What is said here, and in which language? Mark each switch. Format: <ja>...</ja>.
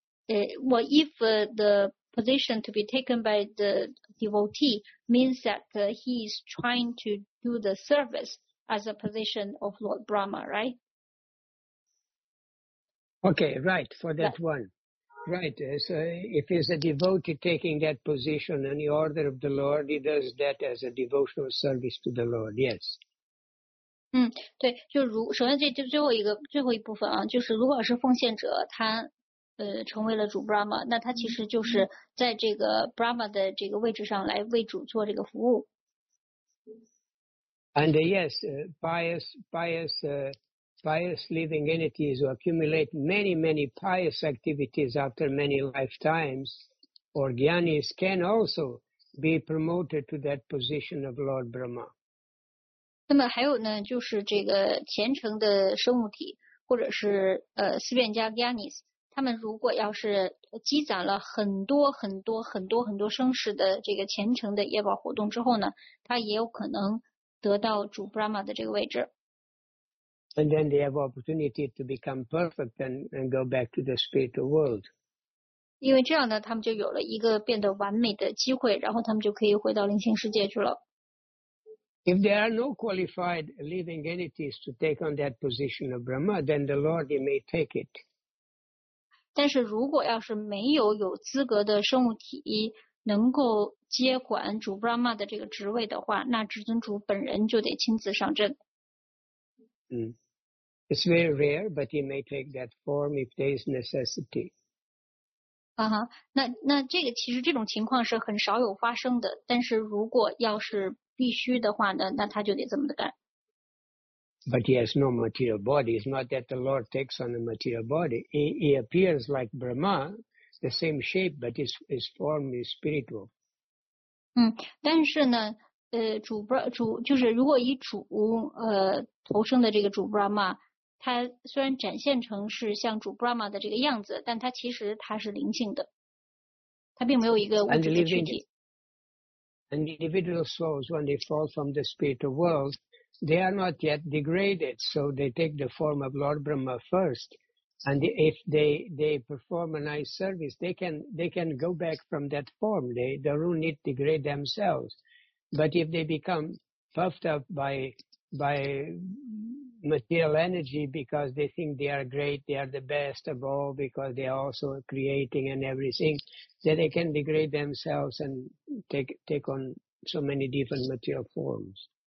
<en>Well, if the position to be taken by the devotee means that he is trying to do the service as a position of Lord Brahma, right? Okay, right, for that one. Right, so if he's a devotee taking that position in the order of the Lord, he does that as a devotional service to the Lord, yes.</en> <zh>对，就如首先这最后一部分啊，就是如果是奉献者，他成为了主 Brahma， 那他其实就是在这个 Brahma 的这个位置上来为主做这个服务。</zh> <en>And yes, pious living entities who accumulate many many pious activities after many lifetimes, or gyanis can also be promoted to that position of Lord Brahma.</en> <zh>那么还有呢，就是这个虔诚的生物体，或者是寺院家 Gyanis， 他们如果要是积攒了很多很多很多很多生世的这个虔诚的业报活动之后呢，他也有可能得到主 Brahma 的这个位置。</zh> <en>And then they have opportunity to become perfect and go back to the spiritual world.</en> <zh>因为这样呢，他们就有了一个变得完美的机会，然后他们就可以回到灵性世界去了。</zh> <en>If there are no qualified living entities to take on that position of Brahma, then the Lord may take it.</en> <zh>但是如果要是没有有资格的生物体能够接管主 Brahma 的这个职位的话，那至尊主本人就得亲自上阵。</zh> <en>It's very rare, but he may take that form if there is necessity.</en> <zh>啊哈，那这个其实这种情况是很少有发生的，但是如果要是必须的话呢，那他就得这么的干。</zh> <en>But he has no material body. It's not that the Lord takes on a material body. He appears like Brahma, the same shape, but his form is spiritual.</en> <zh>但是呢，就是如果以主投生的这个主 Brahma， 他虽然展现成是像主 Brahma 的这个样子，但他其实他是灵性的，它并没有一个物质的躯体。</zh> <en>And individual souls, when they fall from the spiritual world, they are not yet degraded, so they take the form of Lord Brahma first. And if they perform a nice service, they can go back from that form. They don't need to degrade themselves. But if they become puffed up by material energy because they think they are great, they are the best of all because they are also creating and everything, then they can degrade themselves and take on so many different material forms.</en>